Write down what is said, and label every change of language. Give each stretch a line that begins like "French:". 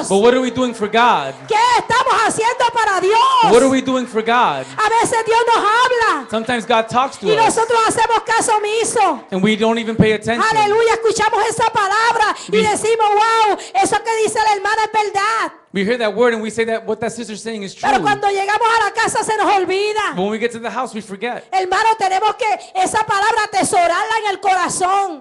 English: But what are we doing for God?
Spanish: ¿Qué estamos haciendo para Dios?
English: What are we doing for God?
Spanish: A veces Dios nos habla.
English: Sometimes God talks to
Spanish: y Y nosotros hacemos caso omiso.
English: And we don't even pay attention.
Spanish: Aleluya, escuchamos esa palabra y decimos, wow, eso que dice la hermana es verdad.
English: We hear that word and we say that what that sister is saying is true.
Spanish: Pero cuando llegamos a la casa se nos olvida.
English: But when we get to the house we forget.
Spanish: Hermano, tenemos que esa palabra atesorarla en el corazón.